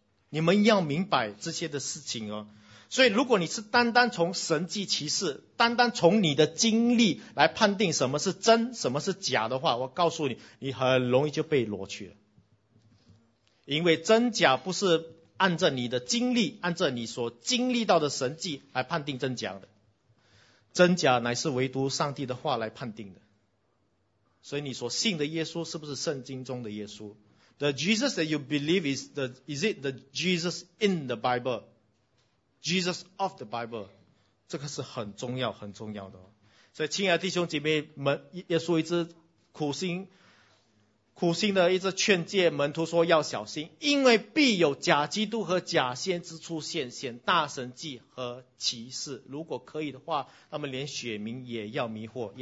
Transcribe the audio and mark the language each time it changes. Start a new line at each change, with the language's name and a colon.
Chinese: 你们要明白这些的事情哦。所以如果你是单单从神迹奇事，单单从你的经历来判定什么是真什么是假的话，我告诉你，你很容易就被掳去了。因为真假不是按照你的经历，按照你所经历到的神迹来判定真假的。真假乃是唯独上帝的话来判定的。所以你所信的耶稣是不是圣经中的耶稣？
English: The Jesus that you believe is it the Jesus in the Bible? Jesus of the Bible?
Chinese: 这个是很重要很重要的。所以亲爱的弟兄姐妹们，耶稣一直苦心的一直劝诫门徒说要小心，因为必有假基督和假先知出现，显大神迹和奇事，如果可以的话，他们连选民也要迷惑。